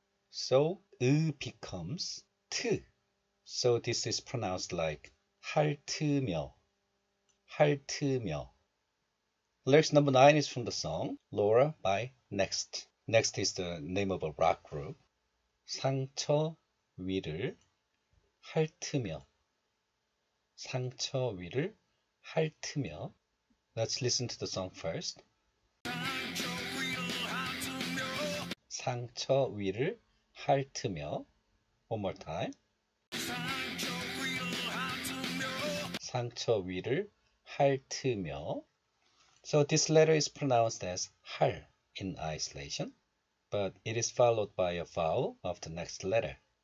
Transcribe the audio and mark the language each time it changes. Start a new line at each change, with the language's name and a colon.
English: So 으 becomes 트. So this is pronounced like 할트며, 할트며. Lyrics number 9 is from the song Laura by Next. Next is the name of a rock group.
Korean: 상처 위를 핥으며, 상처 위를 핥으며.
English: Let's listen to the song first.
Korean: 상처 위를 핥으며, 상처 위를 핥으며.
English: One more time.
Korean: 상처 위를 핥으며, 상처 위를 핥으며.
English: So this letter is pronounced as 할 in isolation, but it is followed by a vowel of the next letter.